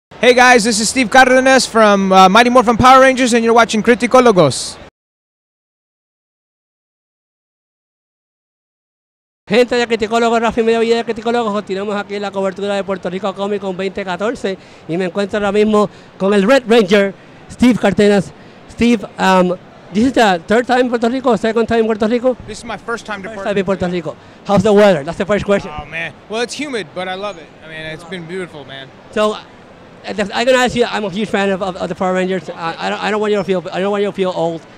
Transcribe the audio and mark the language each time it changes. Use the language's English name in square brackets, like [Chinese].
[English] Hey guys, this is Steve Cardenas from Mighty Morphin Power Rangers, and you're watching Criticologos. [Spanish] Gente de Criticologos, Rafi Medio Villa de Criticologos, continuamos aquí la cobertura de Puerto Rico Comic Con 2014, y me encuentro ahora mismo con el Red Ranger, Steve Cardenas. [English] Steve, this is the third time in Puerto Rico, second time in Puerto Rico? This is my first time in Puerto Rico. How's the weather? That's the first question. Oh man, well it's humid, but I love it. I mean, it's been beautiful, man. So, I can ask you, I'm a huge fan of the Power Rangers. I don't want you to feel old.